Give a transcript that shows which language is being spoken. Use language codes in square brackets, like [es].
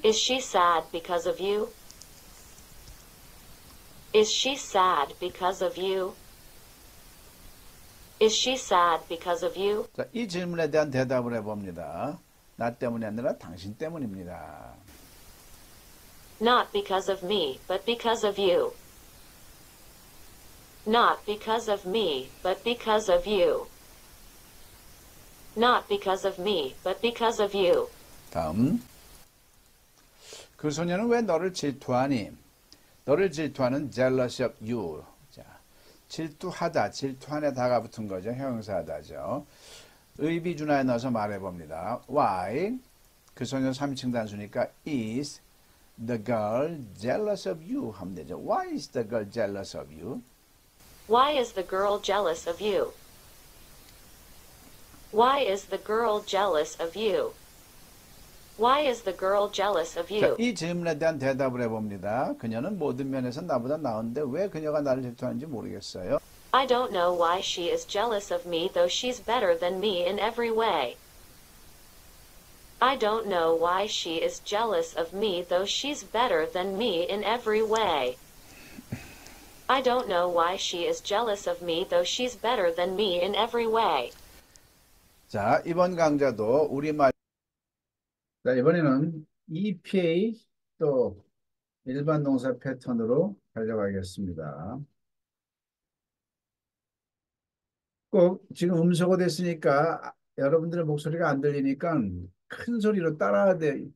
[en] Is she sad because of you? Is she sad because of you? Is she sad because of you? [ko] 자, 이 질문에 대한 대답을 해봅니다. 나 때문이 아니라 당신 때문입니다. [en] Not because of me, but because of you. Not because of me, but because of you. Not because of me, but because of you. [ko] 다음. 그 소녀는 왜 너를 질투하니? 너를 질투하는 [en] jealousy of you. [ko] 자, 질투하다, 질투하네 다가 붙은 거죠. 형용사다죠. 의비준화에 넣어서 말해봅니다. [en] Why? [ko] 그 소녀는 3인칭 단수니까 [en] is the girl jealous of you? [ko] 하면 되죠. [en] Why is the girl jealous of you? Why is the girl jealous of you? Why is the girl jealous of you? Why is the girl jealous of [ko] 자, [en] you? [ko] 이 질문에 대한 대답을 해봅니다. 그녀는 모든 면에서 나보다 나은데 왜 그녀가 나를 질투하는지 모르겠어요. [en] I don't know why she is jealous of me, though she's better than me in every way. I don't know why she is jealous of me, though she's better than me in every way. I don't know why she is jealous of me, though she's better than me in every way. [ko] 자, 이번 강좌도 우리말 자, 이번에는 EPA 또 일반 동사 패턴으로 달려가겠습니다. 꼭 지금 음소거 됐으니까 여러분들의 목소리가 안 들리니까 큰 소리로 따라야 돼.